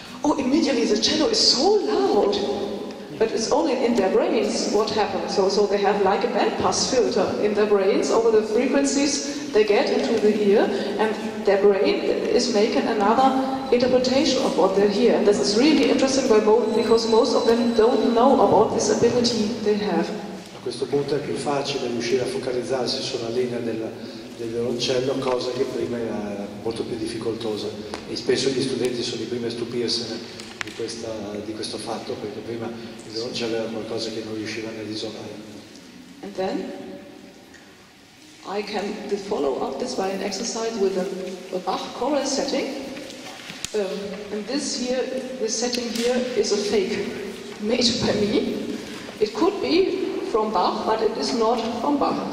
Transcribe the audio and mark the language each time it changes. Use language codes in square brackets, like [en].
[en] Oh, immediately the cello is so loud, but it's only in their brains what happens. So they have like a bandpass filter in their brains over the frequencies they get into the ear, and their brain is making another interpretation of what they hear. And this is really interesting by both, because most of them don't know about this ability they have. [it] A questo punto è più facile riuscire a focalizzarsi sulla linea del violoncello, cosa che prima era molto più difficoltosa, e spesso gli studenti sono i primi a stupirsene di questo fatto, perché prima il violoncello era qualcosa che non riuscivano a isolare. [en] And then I can follow up this by an exercise with a Bach choral setting. And this here, this setting here is a fake made by me. It could be from Bach, but it is not from Bach.